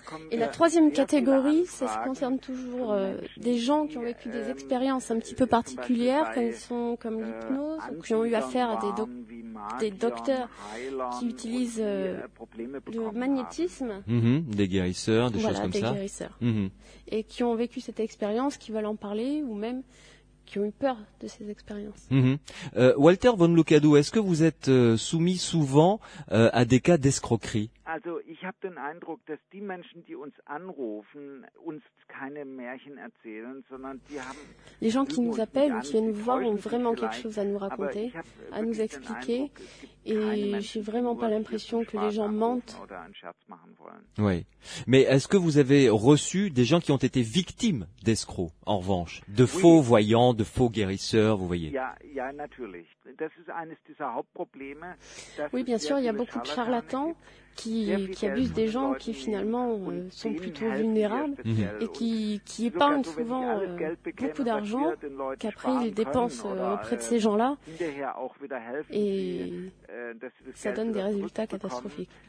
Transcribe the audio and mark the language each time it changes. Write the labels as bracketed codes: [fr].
[fr] Et la troisième catégorie, ça se concerne toujours des gens qui ont vécu des expériences un petit peu particulières, comme l'hypnose, ou qui ont eu affaire à des docteurs qui utilisent le magnétisme. Mm-hmm. Des guérisseurs, choses comme ça. Voilà, des guérisseurs. Mm-hmm. Et qui ont vécu cette expérience, qui veulent en parler, ou même qui ont eu peur de ces expériences. Mm-hmm. Walter von Lucadou, est-ce que vous êtes soumis souvent à des cas d'escroquerie? [de] Also, ich habe den Eindruck, dass die Menschen, die uns anrufen, uns keine Märchen erzählen, sondern die haben. [fr] Les gens qui nous appellent ou qui viennent nous voir ont vraiment quelque chose à nous raconter, à nous expliquer. Et j'ai vraiment pas l'impression que les gens mentent. Oui. Mais est-ce que vous avez reçu des gens qui ont été victimes d'escrocs, en revanche? De faux voyants, de faux guérisseurs, vous voyez? [de] Ja, natürlich. Das ist eines dieser Hauptprobleme. [fr] Oui, bien sûr, il y a beaucoup de charlatans. Qui abusent des gens qui finalement sont plutôt vulnérables et qui épargnent souvent beaucoup d'argent qu'après ils dépensent auprès de ces gens-là et ça donne des résultats catastrophiques.